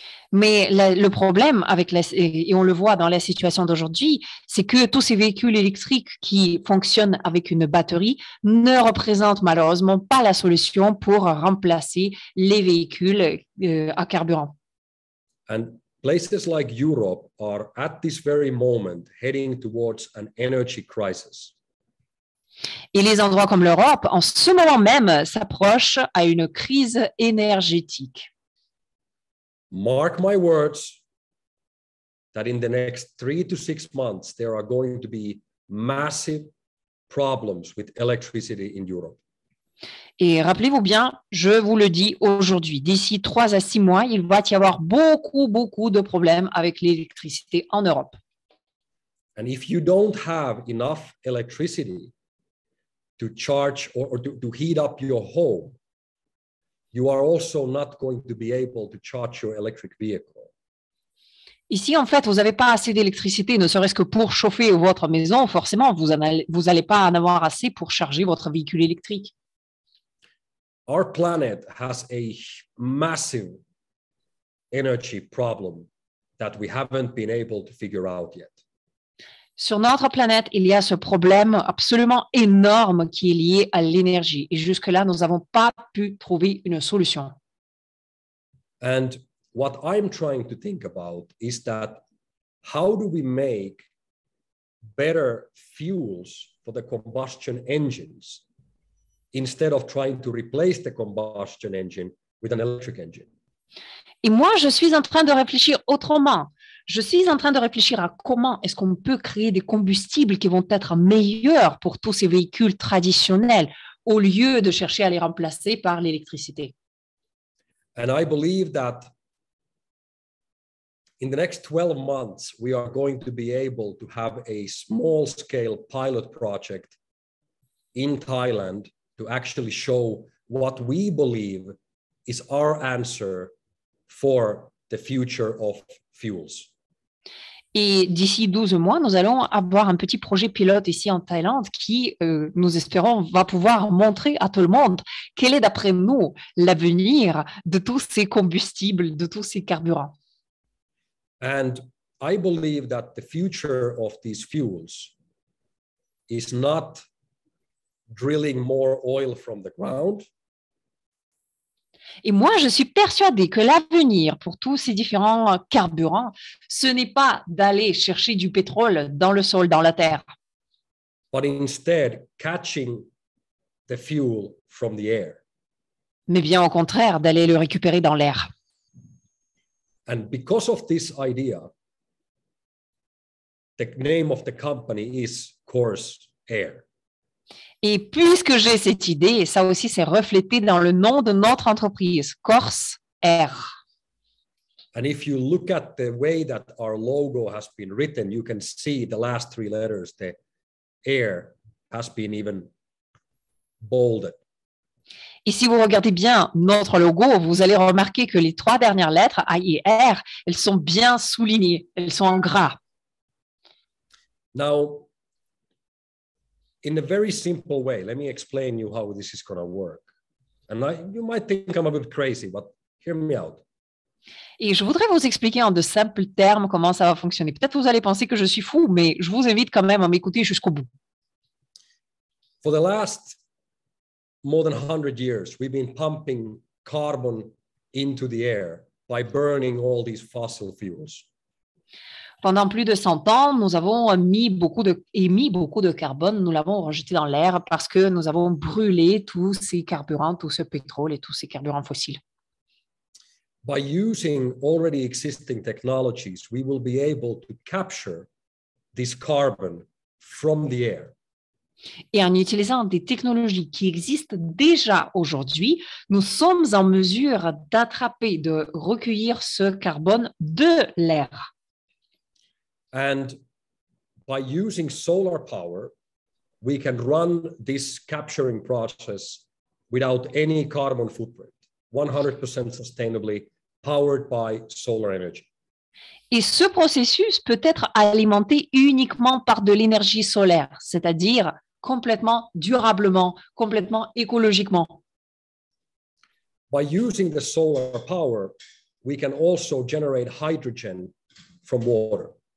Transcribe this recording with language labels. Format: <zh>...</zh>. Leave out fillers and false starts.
<fr>Mais le problème, et on le voit dans la situation d'aujourd'hui, c'est que tous ces véhicules électriques qui fonctionnent avec une batterie ne représentent malheureusement pas la solution pour remplacer les véhicules à carburant.</fr> <en>And places like Europe are at this very moment heading towards an energy crisis.</en> <fr>Et les endroits comme l'Europe, en ce moment même, s'approchent à une crise énergétique.</fr> <en>Mark my words, that in the next 3 to 6 months, there are going to be massive problems with electricity in Europe.</en> <fr>Et rappelez-vous bien, je vous le dis aujourd'hui, d'ici 3 à 6 mois, il va y avoir beaucoup, beaucoup de problèmes avec l'électricité en Europe.</fr> <en>And if you don't have enough electricity to charge or to heat up your home, you are also not going to be able to charge your electric vehicle.</en> <fr>Et si en fait vous n'avez pas assez d'électricité, ne serait-ce que pour chauffer votre maison, forcément vous n'allez pas en avoir assez pour charger votre véhicule électrique.</fr> <en>Our planet has a massive energy problem that we haven't been able to figure out yet.</en> <fr>Sur notre planète, il y a ce problème absolument énorme qui est lié à l'énergie. Et jusque-là, nous n'avons pas pu trouver une solution.</fr> <en>And what I'm trying to think about is that how do we make better fuels for the combustion engines instead of trying to replace the combustion engine with an electric engine?</en> <fr>Et moi, je suis en train de réfléchir autrement. Je suis en train de réfléchir à comment est-ce qu'on peut créer des combustibles qui vont être meilleurs pour tous ces véhicules traditionnels au lieu de chercher à les remplacer par l'électricité.</fr> <en>And I believe that in the next 12 months, we are going to be able to have a small-scale pilot project in Thailand to actually show what we believe is our answer for the future of fuels.</en> <fr>Et d'ici 12 mois, nous allons avoir un petit projet pilote ici en Thaïlande qui, nous espérons, va pouvoir montrer à tout le monde quel est, d'après nous, l'avenir de tous ces combustibles, de tous ces carburants.</fr> <en>And I believe that the future of these fuels is not drilling more oil from the ground.</en> <fr>Et moi, je suis persuadée que l'avenir pour tous ces différents carburants, ce n'est pas d'aller chercher du pétrole dans le sol, dans la terre.</fr> <en>But instead, catching the fuel from the air.</en> <fr>Mais bien au contraire, d'aller le récupérer dans l'air.</fr> <en>And because of this idea, the name of the company is Coarse Air.</en> <fr>Et puisque j'ai cette idée, ça aussi s'est reflété dans le nom de notre entreprise, Coarse Air.</fr> <en>And if you look at the way that our logo has been written, you can see the last 3 letters, the air, has been even bolded.</en> <fr>Et si vous regardez bien notre logo, vous allez remarquer que les 3 dernières lettres, A, I, R, elles sont bien soulignées, elles sont en gras.</fr> <en>Now, in a very simple way, let me explain you how this is going to work. And you might think I'm a bit crazy, but hear me out.</en> <fr>Et je voudrais vous expliquer en de simples termes comment ça va fonctionner. Peut-être vous allez penser que je suis fou, mais je vous invite quand même à m'écouter jusqu'au bout.</fr> <en>For the last more than 100 years, we've been pumping carbon into the air by burning all these fossil fuels.</en> <fr>Pendant plus de 100 ans, nous avons émis beaucoup de carbone, nous l'avons rejeté dans l'air parce que nous avons brûlé tous ces carburants, tout ce pétrole et tous ces carburants fossiles.</fr> <en>By using already existing technologies, we will be able to capture this carbon from the air.</en> <fr>Et en utilisant des technologies qui existent déjà aujourd'hui, nous sommes en mesure d'attraper, de recueillir ce carbone de l'air.</fr> <en>And by using solar power, we can run this capturing process without any carbon footprint, 100% sustainably powered by solar energy.</en> <fr>Et ce processus peut être alimenté uniquement par de l'énergie solaire, c'est-à-dire complètement durablement, complètement écologiquement.</fr> <en>By using the solar power, we can also generate hydrogen from water.</en>